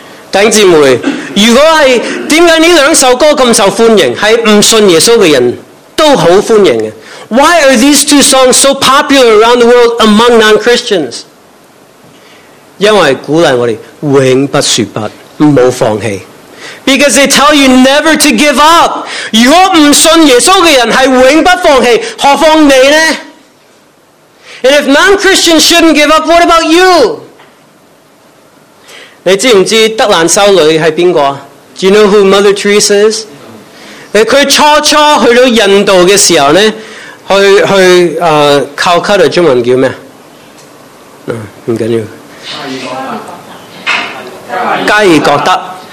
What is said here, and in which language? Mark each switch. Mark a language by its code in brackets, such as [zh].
[zh] 弟兄姊妹，如果是为什么这两首歌这么受欢迎，是不信耶稣的人都很欢迎的。 [en] Why are these two songs so popular around the world among non-Christians? [zh] 因为鼓励我们永不说不，不要放弃。 [en] Because they tell you never to give up. [zh] 如果不信耶稣的人是永不放弃，何况你呢？ [en] And if non-Christians shouldn't give up, what about you? [zh] 你知不知道德兰修女是谁？ [en] Do you know who Mother Teresa is? [zh] 她初初去到印度的时候呢，去考卡的中文叫什么？不紧要。加尔各德。